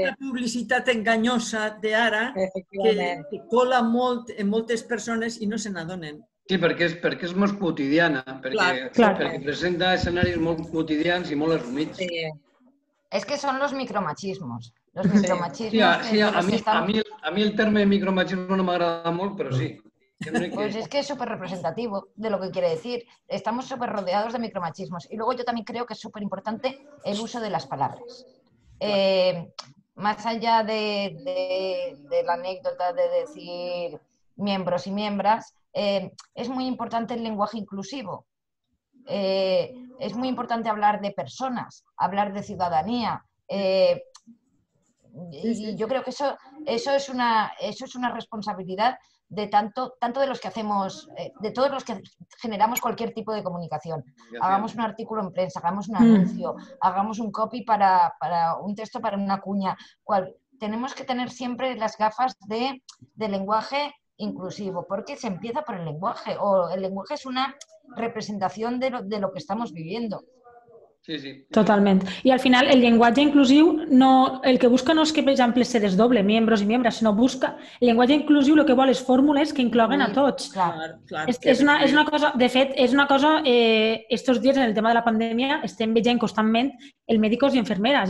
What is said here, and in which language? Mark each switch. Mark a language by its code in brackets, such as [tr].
[ca] I la publicitat enganyosa d'ara que cola molt en moltes persones i no se n'adonen. Sí, perquè és més quotidiana, perquè presenta escenaris molt quotidians i molt assumits. Sí. És que són els micromachismos. [es] Los micromachismos. [ca] Sí, a mi el terme micromachismo no m'agrada molt, però sí. [es] Pues es que es súper representativo de lo que quiere decir. Estamos súper rodeados de micromachismos. Y luego yo también creo que es súper importante el uso de las palabras. Más allá de la anécdota de decir miembros y miembras, es muy importante el lenguaje inclusivo. Es muy importante hablar de personas, hablar de ciudadanía. Y yo creo que eso es una responsabilidad de tanto de los que hacemos, de todos los que generamos cualquier tipo de comunicación. Hagamos un artículo en prensa, hagamos un anuncio, hagamos un copy para un texto, para una cuña. Tenemos que tener siempre las gafas de lenguaje inclusivo, porque se empieza por el lenguaje, o el lenguaje es una representación de lo que estamos viviendo. Sí, sí. [ca] Totalment. I al final el llenguatge inclusiu no, el que busca no és que, per exemple, se desdoble membres i membres, sinó busca el llenguatge inclusiu, el que vol és fórmules que incloguen a tots. Clar, clar. És una cosa, de fet, és una cosa, estos dies en el tema de la pandèmia estem veient constantment el mèdics i infermeres.